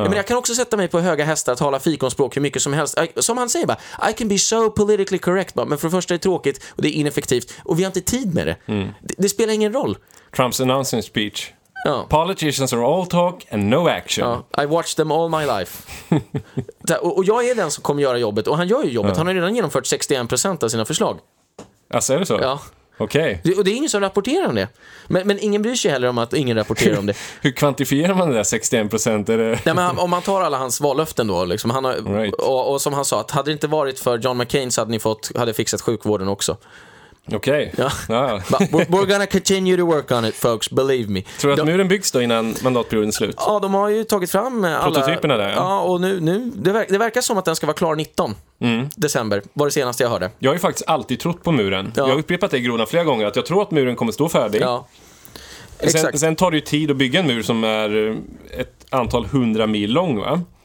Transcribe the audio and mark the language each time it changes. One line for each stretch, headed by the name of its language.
Swedish: Ja, men jag kan också sätta mig på höga hästar och tala fikonspråk hur mycket som helst. Som han säger bara,
English: I can be so politically correct.
Swedish: Men för det första är det tråkigt och det är ineffektivt. Och vi har inte tid med det. Mm. Det spelar ingen roll.
English: Trump's announcement speech.
Swedish: Ja.
English: Politicians are all talk and no action. Ja. I watched them all my life.
Swedish: Och jag är den som kommer göra jobbet. Och han gör ju jobbet. Ja. Han har redan genomfört 61% av sina förslag. Alltså är det så? Ja. Okej. Okay. Och det är ingen som rapporterar om det. Men ingen bryr sig heller om att ingen rapporterar om det. Hur kvantifierar man det där 61%? Är det... Nej, men om man tar alla hans vallöften då. Liksom, han har,
English: right.
Swedish: Och som han sa, att hade det inte varit för John McCain så hade ni fixat sjukvården också. Okej. Okay. Ja.
English: We're gonna continue to work on it, folks. Believe me.
Swedish: Tror du att muren byggs då innan mandatperioden slut? Ja, de har ju tagit fram alla prototyperna där. Ja, och nu det verkar som att den ska vara klar 19 december, var det senaste jag hörde. Jag har ju faktiskt alltid trott på muren. Ja. Jag har upprepat det i Grona flera gånger, att jag tror att muren kommer stå färdig. Ja. Sen tar det ju tid att bygga en mur som är ett antal 100 mil lång, va?